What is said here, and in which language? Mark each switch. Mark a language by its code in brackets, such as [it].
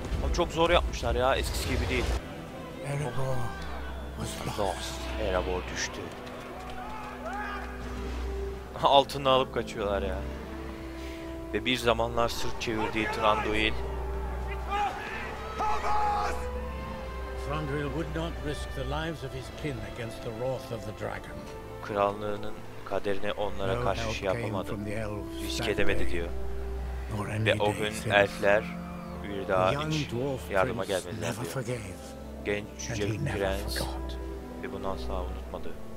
[tr] Ama çok zor yapmışlar ya. Eskisi gibi değil. [en] Erebor was lost. [tr] Erebor düştü. Altını alıp kaçıyorlar ya. ve bir zamanlar sırt çevirdiği Tranduil. [en] Tranduil would not risk the lives of his kin against the wrath of the dragon. [tr] Krallığının kaderine onlara karşı şey yapamadı, risk edemedi diyor. Ve o gün elfler bir daha hiç yardıma gelmediler diyor. Genç yüce prens ve bunu asla unutmadı.